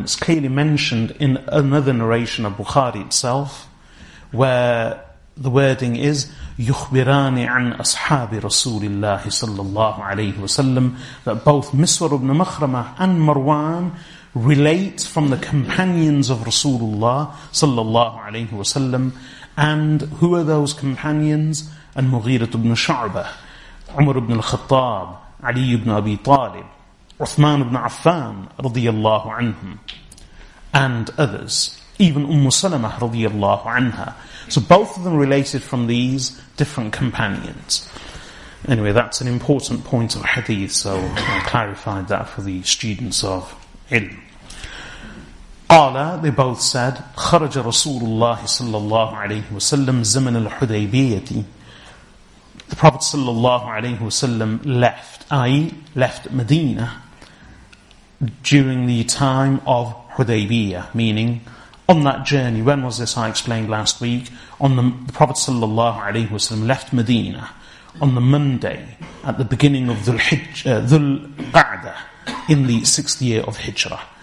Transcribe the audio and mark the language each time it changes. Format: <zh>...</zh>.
<en>It's clearly mentioned in another narration of Bukhari itself, where the wording is</en> <ar>يُخْبِرَانِ عَنْ أَصْحَابِ رَسُولِ اللَّهِ صَلَّى اللَّهُ عَلَيْهِ وَسَلَّمْ,</ar> <en>that both Miswar ibn Makhramah and Marwan relate from the companions of Rasulullah صَلَّى اللَّهُ عَلَيْهِ وَسَلَّمْ. And who are those companions?</en> <ar>المغيرة بن شعبة, عمر بن الخطاب, علي بن أبي طالب, عثمان بن عفان رضي الله عنهم,</ar> <en>and others. Even Umm Salamah رضي الله عنها. So both of them related from these different companions. Anyway, that's an important point of hadith, so I clarified that for the students of ilm.</en> <ar>قالا,</ar> <en>they both said,</en> <ar>خرج رسول الله صلى الله عليه وسلم زمن الحديبية.</ar> <en>The Prophet صلى الله عليه وسلم left, i.e. left Medina, during the time of Hudaybiyah, meaning on that journey. When was this? I explained last week. On the Prophet sallallahu alaihi wasallam left Medina on the Monday at the beginning of Dhul-Qa'dah in the sixth year of Hijrah.</en>